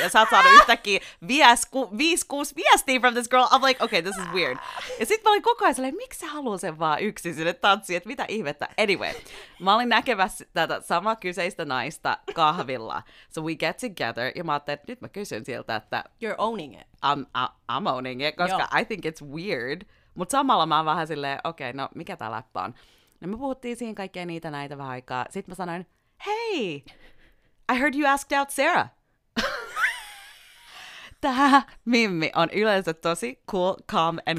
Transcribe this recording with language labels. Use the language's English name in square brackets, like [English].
[Finnish] Ja sä oot saanut yhtäkkiä viisi kuusi viestiä [English] from this girl. I'm like, okay, this is weird. [Finnish] Ja sit mä olin koko ajan silleen, miksi sä haluaa sen vaan yksin sinne tanssiin? Että mitä ihmettä? Anyway, mä olin näkemässä tätä samaa kyseistä naista kahvilla. [English] So we get together, [Finnish] ja mä ajattelin, että nyt mä kysyn sieltä, että... [English] You're owning it. I'm owning it, [Finnish] koska Joo. [English] I think it's weird. [Finnish] Mutta samalla mä oon vähän silleen, okei, no mikä tää läppä on? No me puhuttiin siihen kaikkea niitä näitä vähän aikaa. Sitten mä sanoin, [English] hey, I heard you asked out Sarah. [Finnish] Tää Mimmi on yleensä tosi [English] cool, calm and